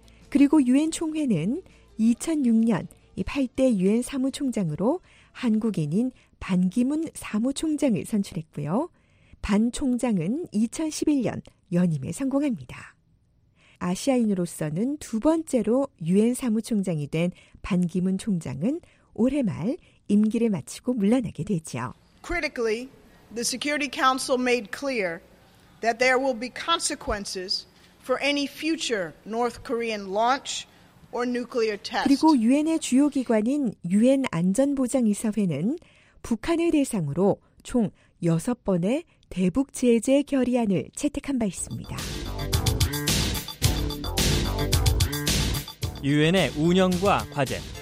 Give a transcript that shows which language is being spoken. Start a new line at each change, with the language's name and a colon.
Korean: 그리고 유엔 총회는 2006년 8대 유엔 사무총장으로 한국인인 반기문 사무총장을 선출했고요. 반 총장은 2011년 연임에 성공합니다. 아시아인으로서는 두 번째로 유엔 사무총장이 된 반기문 총장은 올해 말 임기를 마치고 물러나게 되죠.
English: Critically, the Security Council made clear that there will be consequences for any future North Korean launch or nuclear test.
Korean: 그리고 유엔의 주요 기관인 유엔 안전보장이사회는 북한을 대상으로 총 6번의 대북 제재 결의안을 채택한 바 있습니다. 유엔의 운영과 과제.